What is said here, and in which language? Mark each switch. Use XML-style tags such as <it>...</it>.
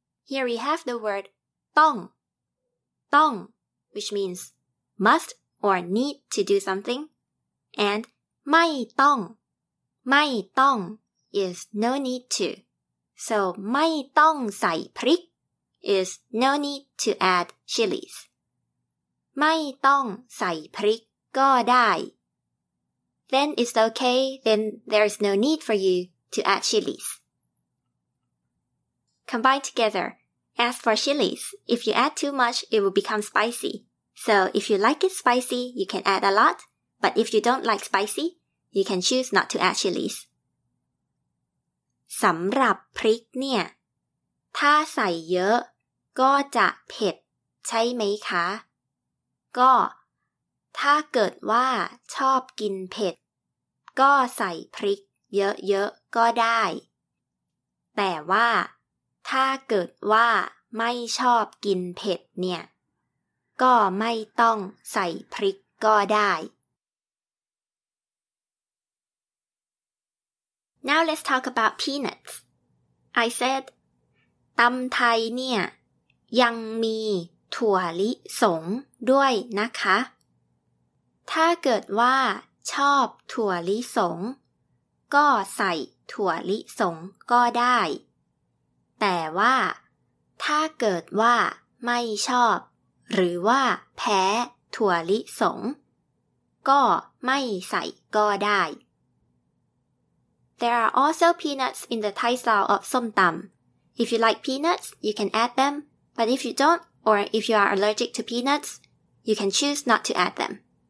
<en>Here we have the word ต้อง which means must or need to do something and ไม่ต้อง is no need to So</en> <th>ไม่ต้องใส่พริก</th> <en>is no need to add chilies</en> <th>ไม่ต้องใส่พริกก็ได้</th> <en>Then it's okay, then there is no need for youto add chilies. Combine together. As for chilies, if you add too much, it will become spicy. So if you like it spicy, you can add a lot. But if you don't like spicy, you can choose not to add chilies.</en> <th>สำหรับพริกเนี่ยถ้าใส่เยอะก็จะเผ็ดใช่ไหมคะก็ถ้าเกิดว่าชอบกินเผ็ด ก็ใส่พริกเยอะๆก็ได้แต่ว่าถ้าเกิดว่าไม่ชอบกินเผ็ดเนี่ยก็ไม่ต้องใส่พริกก็ได้</th> <en>Now let's talk about peanuts. I said,</en> <th>ตำไทยเนี่ยยังมีถั่วลิสงด้วยนะคะถ้าเกิดว่าชอบถั่วลิสงก็ใส่ถั่วลิสงก็ได้แต่ว่าถ้าเกิดว่าไม่ชอบหรือว่าแพ้ถั่วลิสงก็ไม่ใส่ก็ได้</th> <en>There are also peanuts in the Thai style of som tam. If you like peanuts, you can add them, but if you don't, or if you are allergic to peanuts, you can choose not to add them.</en>